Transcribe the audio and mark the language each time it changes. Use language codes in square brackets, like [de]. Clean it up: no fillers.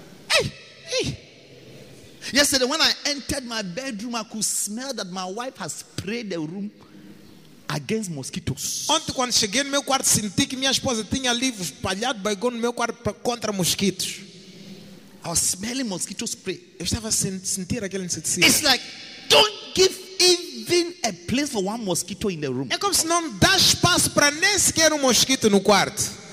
[en] Hey. Yesterday when I entered my bedroom, I could smell that my wife has sprayed the room against mosquitoes. [pt] Ontem quando cheguei no meu quarto, senti que minha esposa tinha ali espalhado bagulho no meu quarto contra mosquitos. [en] I was smelling mosquito spray. [pt] Eu estava a sentir aquele inseticida. [en] It's like, don't give even a place for one mosquito in the room. [pt] É como se não dá espaço para nem sequer mosquito no quarto.